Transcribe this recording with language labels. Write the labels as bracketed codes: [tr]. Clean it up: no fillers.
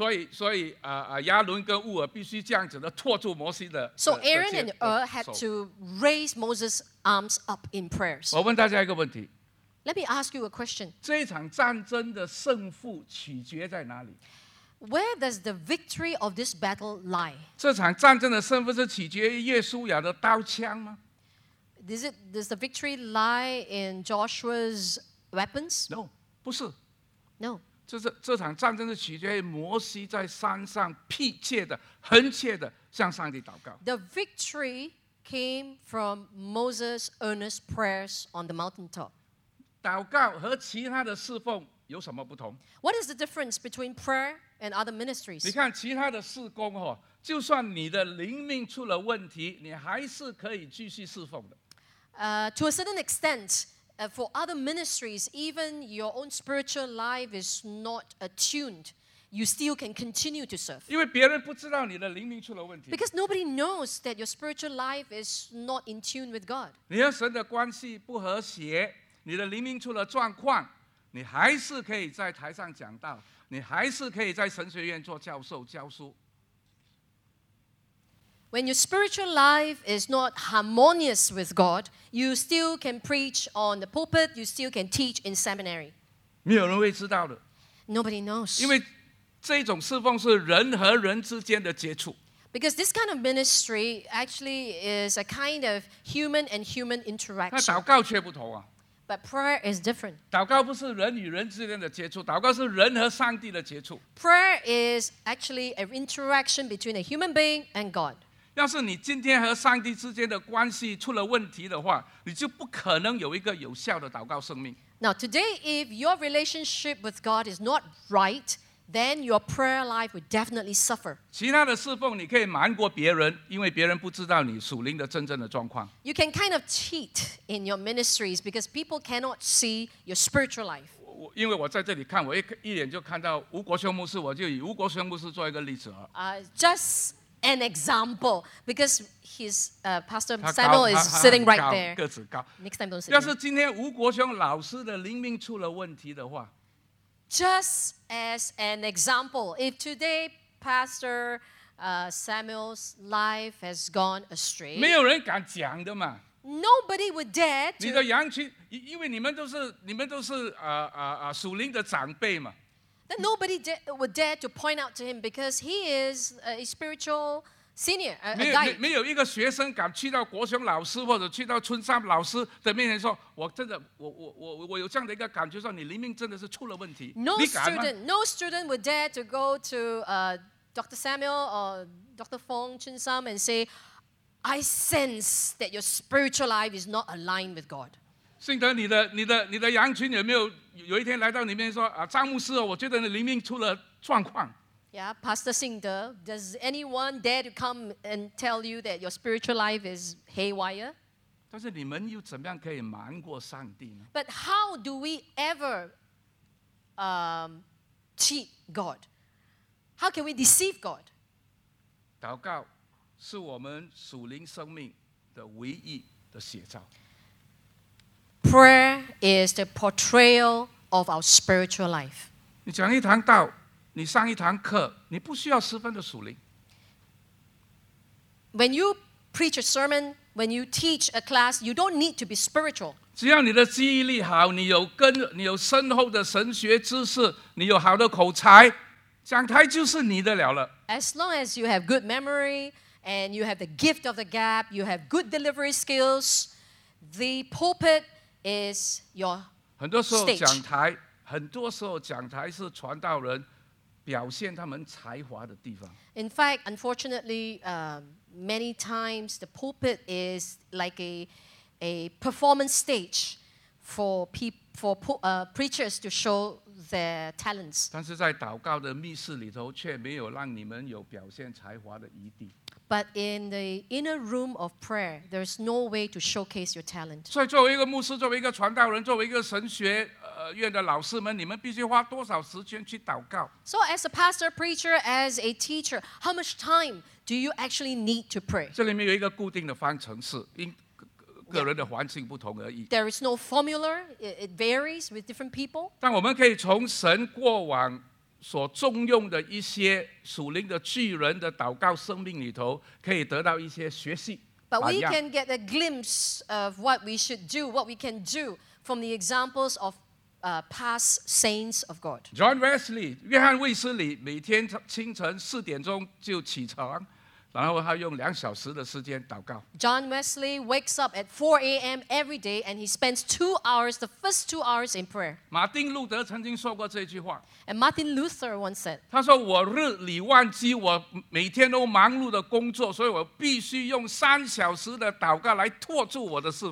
[zh] 所以亚伦跟乌尔必须这样子的托住摩西的。 [en] So Aaron and Ur had to raise Moses' arms up in prayers. [zh] 我问大家一个问题。 [en] Let me ask you a question. [zh] 这场战争的胜负取决在哪里？ [en] Where does the victory of this battle lie? [zh] 这场战争的胜负是取决于耶稣亚的刀枪吗？ [en] Does the victory lie in Joshua's weapons? [zh] No, 不是。 [en] No. [zh] 这场战争是取决于摩西在山上迫切的、恳切的向上帝祷告。 [en] The victory came from Moses' earnest prayers on the mountaintop. [zh] 祷告和其他的侍奉有什么不同？ [en] What is the difference between prayer and other ministries? [zh] 你看其他的事工，就算你的灵命出了问题，你还是可以继续侍奉的。 [en] To a certain extent, for other ministries, even your own spiritual life is not attuned, you still can continue to serve. [zh] 因为别人不知道你的灵命出了问题。 [en] Because nobody knows that your spiritual life is not in tune with God. [zh] 你和神的关系不和谐。你的灵命出了状况，你还是可以在台上讲道，你还是可以在神学院做教授教书。 [en] When your spiritual life is not harmonious with God, you still can preach on the pulpit, you still can teach in seminary. [zh] 没有人会知道的。 [en] Nobody knows. [zh] 因为这种侍奉是人和人之间的接触。 [en] Because this kind of ministry actually is a kind of human and human interaction. [zh] 那祷告却不同啊。 [en] But prayer is different. [zh] 祷告不是人与人之间的接触，祷告是人和上帝的接触。 [en] Prayer is actually an interaction between a human being and God. [zh] 要是你今天和上帝之间的关系出了问题的话，你就不可能有一个有效的祷告生命。 [en] Now today, if your relationship with God is not right, then your prayer life would definitely suffer. [zh] 其他的侍奉你可以瞒过别人，因为别人不知道你属灵的真正的状况。 [en] You can kind of cheat in your ministries because people cannot see your spiritual life. [zh] 因为我在这里看，我一眼就看到吴国雄牧师，我就以吴国雄牧师做一个例子啊。 [en] Just an example, because his Pastor Samuel is sitting right there. [zh] 个子高。 [en] Next time don't sit. [zh] 要是今天吴国雄老师的灵命出了问题的话。 [en] Just as an example, if today Pastor Samuel's life has gone astray, [zh] 没有人敢讲的嘛。 [en] Nobody would dare to. [zh] 你的羊群，因为你们都是属灵的长辈嘛。 [en] Then nobody would dare to point out to him because he is a spiritual senior. [zh] 没有一个学生敢去到国雄老师或者去到春山老师的面前说，我真的，我有这样的一个感觉，说你灵命真的是出了问题。 [en] No student would dare to go to Dr. Samuel or Dr. Fong Chun Sam and say, I sense that your spiritual life is not aligned with God. [zh] 信德，你的羊群有没有一天来到你面前说啊，张牧师，我觉得你灵命出了状况。 [en] Yeah, Pastor Singde, does anyone dare to come and tell you that your spiritual life is haywire? 但是你们又怎么样可以瞒过上帝呢？ But how do we ever cheat God? How can we deceive God? [zh] 祷告是我们属灵生命的唯一的写照。 [en] Prayer is the portrayal of our spiritual life. [zh] 你讲一堂道，你上一堂课，你不需要十分的属灵。 [en] When you preach a sermon, when you teach a class, you don't need to be spiritual. [zh] 只要你的记忆力好，你有深厚的神学知识，你有好的口才，讲台就是你的了。 [en] As long as you have good memory and you have the gift of the gab, you have good delivery skills, the pulpit is your stage. [zh] 很多时候讲台是传道人表现他们才华的地方。 [en] In fact, unfortunately, many times the pulpit is like a performance stage for preachers to show their talents. [zh] 但是在祷告的密室里头，却没有让你们有表现才华的余地。 [en] But in the inner room of prayer, there is no way to showcase your talent. [zh] 所以作为一个牧师，作为一个传道人，作为一个神学院的老师们，你们必须花多少时间去祷告？ [en] So as a pastor, preacher, as a teacher, how much time do you actually need to pray? [zh] 这里面有一个固定的方程式，因个人的环境不同而已。 [en] There is no formula; it varies with different people. [zh] 但我们可以从神过往所重用的一些属灵的巨人的祷告生命里头，可以得到一些学习。 [en] But we can get a glimpse of what we should do, what we can do from the examples of past saints of God. [zh] John Wesley, 约翰卫斯理，每天清晨四点钟就起床，然后他用两小时的时间祷告。 [en] John Wesley wakes up at 4 a.m. every day and he spends 2 hours, the first 2 hours in prayer. [zh] 马丁路德曾经说过这句话。 [en] And Martin Luther once said, [zh] 他说我日理万机，我每天都忙碌的工作，所以我必须用三小时的祷告来托住我的侍奉。